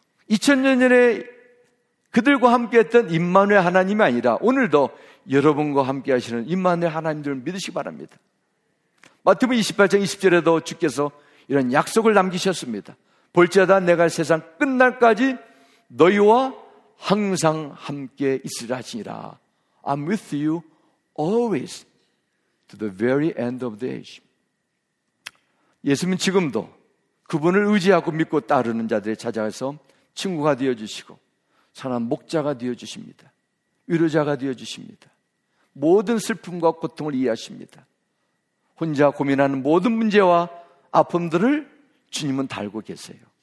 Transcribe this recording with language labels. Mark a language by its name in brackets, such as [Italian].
[Korean] 2000년 전에 그들과 함께했던 임마누엘 하나님이 아니라 오늘도 여러분과 함께 하시는 임마누엘 하나님들을 믿으시기 바랍니다. 마태복음 28장 20절에도 주께서 이런 약속을 남기셨습니다. 볼지어다 내가 세상 끝날까지 너희와 항상 함께 있으리라 하시니라. [English] I'm with you always to the very end of the age. [Korean] 예수님은 지금도 그분을 의지하고 믿고 따르는 자들이 찾아와서 친구가 되어주시고 선한 목자가 되어주십니다. 위로자가 되어주십니다. 모든 슬픔과 고통을 이해하십니다. 혼자 고민하는 모든 문제와 아픔들을 주님은 다 알고 계세요.